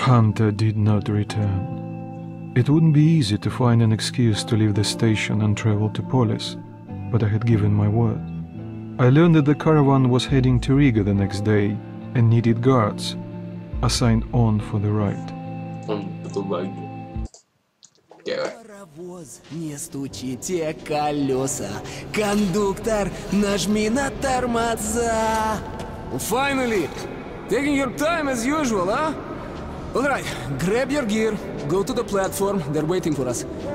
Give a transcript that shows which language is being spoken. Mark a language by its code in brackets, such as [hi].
[en] Hunter did not return. It wouldn't be easy to find an excuse to leave the station and travel to Polis, but I had given my word. I learned that the caravan was heading to Riga the next day and needed guards assigned on for the ride. On the ride. [ru] Паровоз, не стучите колеса. Кондуктор, нажми на тормоза. [en] Finally! Taking your time as usual, huh? Alright, grab your gear, go to the platform, they're waiting for us.